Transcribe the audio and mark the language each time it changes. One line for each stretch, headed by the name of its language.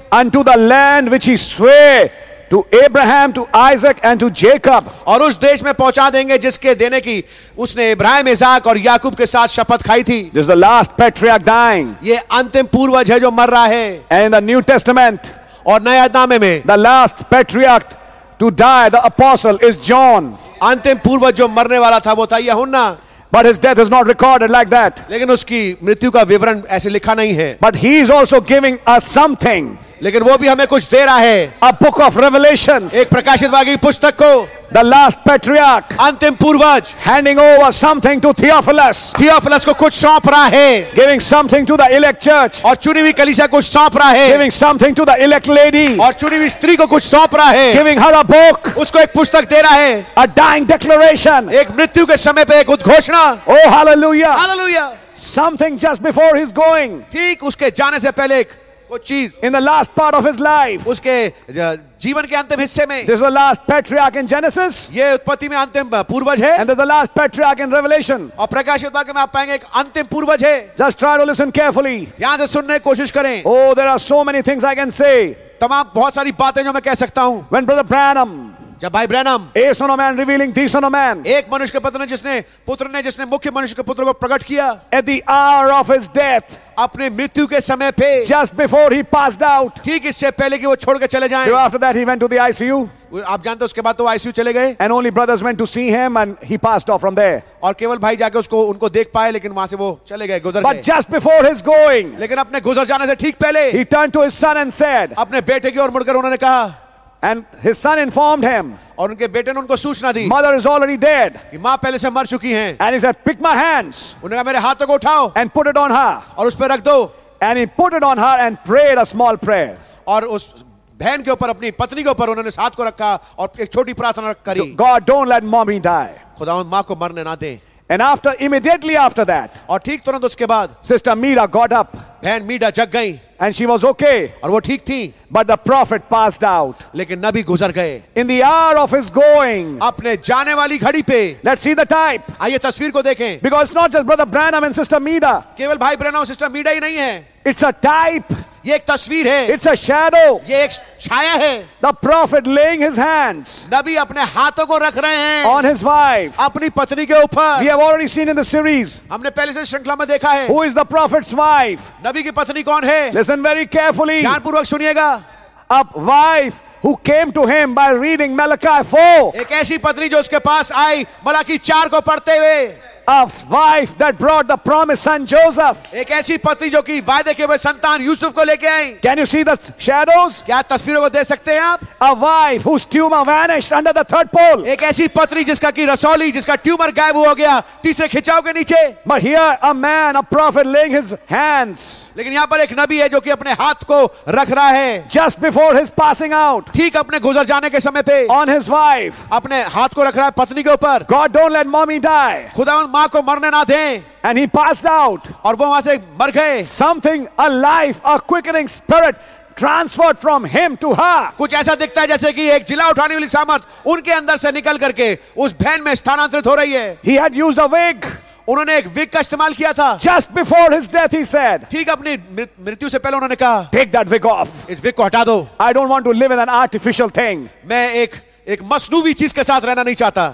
English: Unto the land which he swore to Abraham, to Isaac, and to Jacob.
Hindi: और उस देश में पहुंचा देंगे जिसके देने की उसने इब्राहिम, इसहाक और याकूब के साथ शपथ खाई थी.
English: This is the last patriarch dying.
Hindi: ये अंतिम पूर्वज है जो मर रहा है.
English: And in the New Testament.
Hindi: और नया नामे में.
English: The last patriarch to die, the apostle, is John.
Hindi: अंतिम पूर्वज जो मरने वाला था वो था यूहन्ना.
English: But his death is not recorded like that.
Hindi: लेकिन उसकी मृत्यु का विवरण ऐसे लिखा नहीं है.
English: But he is also giving us something.
Hindi: लेकिन वो भी हमें कुछ दे रहा है.
English: A book of revelations.
Hindi: एक प्रकाशित वाक्य पुस्तक को.
English: The last patriarch.
Hindi: अंतिम पूर्वज.
English: Handing over something to Theophilus.
Hindi: Theophilus को कुछ सौंप रहा है.
English: Giving something to the elect church.
Hindi: और चुनी हुई कलीसिया को कुछ सौंप रहा है.
English: Giving something to the elect lady.
Hindi: और चुनी हुई स्त्री को कुछ सौंप रहा है.
English: Giving her a book.
Hindi: उसको एक पुस्तक दे रहा है.
English: A dying declaration.
Hindi: एक मृत्यु के समय पे एक उद्घोषणा.
English: Oh hallelujah.
Hindi: Hallelujah.
English: Something just before he's going.
Hindi: ठीक उसके जाने से पहले एक चीज.
English: In the last part of his life.
Hindi: उसके जीवन के अंतिम हिस्से में.
English: This is the last patriarch in Genesis.
Hindi: ये उत्पत्ति में अंतिम पूर्वज है.
English: And this is the last patriarch in Revelation.
Hindi: और प्रकाशित वाक्य में आप पाएंगे एक अंतिम पूर्वज है.
English: Just try to listen carefully.
Hindi: ध्यान से सुनने की कोशिश करें.
English: Oh, there are so many things I can say.
Hindi: तमाम बहुत सारी बातें जो मैं कह सकता हूँ.
English: When Brother Branham.
Hindi: जब भाई Branham.
English: A son of man revealing the son of man.
Hindi: एक मनुष्य के पुत्र ने जिसने मुख्य मनुष्य के पुत्र को प्रकट किया.
English: At the hour of his death.
Hindi: अपने मृत्यु के समय पे.
English: Just before he passed out.
Hindi: ठीक इससे पहले कि वो छोड़कर चले जाएं.
English: So after that he went to the ICU.
Hindi: आप जानते हो उसके बाद तो ICU चले गए.
English: And only brothers went to see him and he passed off from there.
Hindi: और केवल भाई जाके उसको उनको देख पाए लेकिन वहां से वो चले गए गुजर गए.
English: But just before his going.
Hindi: लेकिन अपने गुजर जाने से ठीक पहले.
English: He turned to his son and said.
Hindi: अपने बेटे की ओर मुड़कर उन्होंने कहा.
English: And his son informed him.
Hindi: और उनके बेटे ने उनको सूचना दी.
English: Mother is already dead.
Hindi: माँ पहले से मर चुकी हैं.
English: And he said, pick my hands.
Hindi: उन्होंने कहा मेरे हाथों को उठाओ.
English: And put it on her.
Hindi: और उस पे रख दो.
English: And he put it on her and prayed a small prayer.
Hindi: और उस बहन के ऊपर अपनी पत्नी के ऊपर उन्होंने हाथ को रखा और एक छोटी प्रार्थना करी.
English: God don't let mommy die.
Hindi: खुदावंद माँ को मरने ना दे.
English: And after immediately after that.
Hindi: और ठीक तुरंत उसके बाद.
English: Sister Meera got up.
Hindi: बहन मीरा जग गई.
English: And she was okay.
Hindi: और वो ठीक थी.
English: But the prophet passed out.
Hindi: लेकिन नबी गुजर गए.
English: In the hour of his going.
Hindi: अपने जाने वाली घड़ी पे.
English: Let's see the type.
Hindi: आइए तस्वीर को देखें.
English: Because it's not just brother Branham and sister Meera.
Hindi: केवल भाई ब्रैनम और सिस्टर मीरा ही नहीं है.
English: It's a type.
Hindi: ये एक तस्वीर है.
English: It's a shadow.
Hindi: ये एक छाया है.
English: The prophet laying his hands.
Hindi: नबी अपने हाथों को रख रहे हैं.
English: On his wife.
Hindi: अपनी पत्नी के ऊपर.
English: We have already seen in the series.
Hindi: हमने पहले से श्रृंखला में देखा है.
English: Who is the prophet's wife?
Hindi: नबी की पत्नी कौन है?
English: Listen very carefully.
Hindi: ध्यान पूर्वक सुनिएगा.
English: A wife who came to him by reading Malachi 4.
Hindi: एक ऐसी पत्नी जो उसके पास आई मलाकी 4 को पढ़ते हुए.
English: A wife that brought the promised son Joseph.
Hindi: एक ऐसी पत्नी जो कि वायदे के हुए संतान यूसुफ को लेके आई.
English: Can you see the shadows?
Hindi: क्या तस्वीरों को देख सकते हैं आप?
English: A wife whose tumor vanished under the third pole.
Hindi: एक ऐसी पत्नी जिसका कि रसौली जिसका ट्यूमर गायब हो गया तीसरे खिंचाव के नीचे.
English: But here a man, a prophet laying his hands.
Hindi: लेकिन यहाँ पर एक नबी है जो कि अपने हाथ को रख रहा है.
English: Just before his passing out.
Hindi: ठीक अपने गुजर जाने के समय पे.
English: On his wife.
Hindi: अपने हाथ को रख रहा है पत्नी के ऊपर.
English: God don't let mommy die.
Hindi: खुदा माँ को मरने ना दें.
English: And he passed out.
Hindi: और वो वहां से मर गए.
English: Something alive, a quickening spirit transferred from him to her.
Hindi: कुछ ऐसा दिखता है जैसे कि एक जिला उठाने वाली सामर्थ उनके अंदर से निकल करके उस बहन में स्थानांतरित हो रही है.
English: He had used a wig.
Hindi: उन्होंने एक विग का इस्तेमाल किया था.
English: Just before his death, he said.
Hindi: ठीक अपनी मृत्यु से पहले उन्होंने कहा.
English: Take that wig off.
Hindi: इस विग को हटा दो.
English: I don't want to live in an artificial thing.
Hindi: मैं एक मसनूवी चीज के साथ रहना नहीं चाहता.